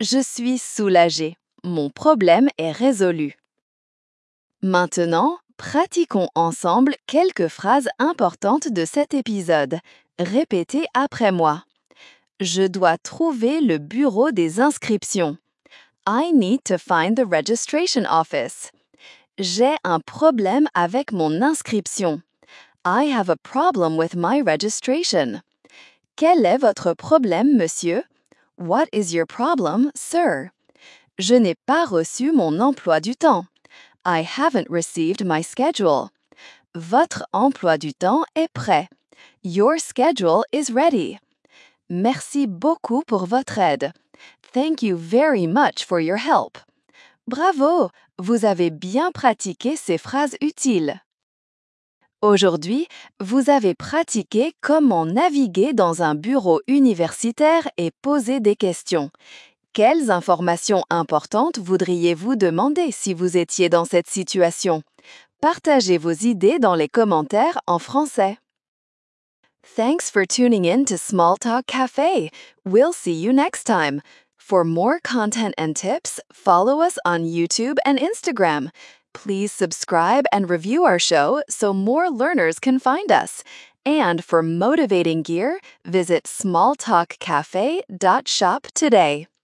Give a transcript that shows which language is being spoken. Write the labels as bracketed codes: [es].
[fr] Je suis soulagée, mon problème est résolu. Maintenant, pratiquons ensemble quelques phrases importantes de cet épisode. Répétez après moi. Je dois trouver le bureau des inscriptions. [en] I need to find the registration office. [fr] J'ai un problème avec mon inscription. [en] I have a problem with my registration. [fr] Quel est votre problème, monsieur? [en] What is your problem, sir? [fr] Je n'ai pas reçu mon emploi du temps. [en] I haven't received my schedule. [fr] Votre emploi du temps est prêt. Your schedule is ready. Merci beaucoup pour votre aide. [en] Thank you very much for your help. [fr] Bravo! Vous avez bien pratiqué ces phrases utiles. Aujourd'hui, vous avez pratiqué comment naviguer dans un bureau universitaire et poser des questions. Quelles informations importantes voudriez-vous demander si vous étiez dans cette situation? Partagez vos idées dans les commentaires en français. [en] Thanks for tuning in to Small Talk Cafe. We'll see you next time. For more content and tips, follow us on YouTube and Instagram. Please subscribe and review our show so more learners can find us. And for motivating gear, visit smalltalkcafe.shop today.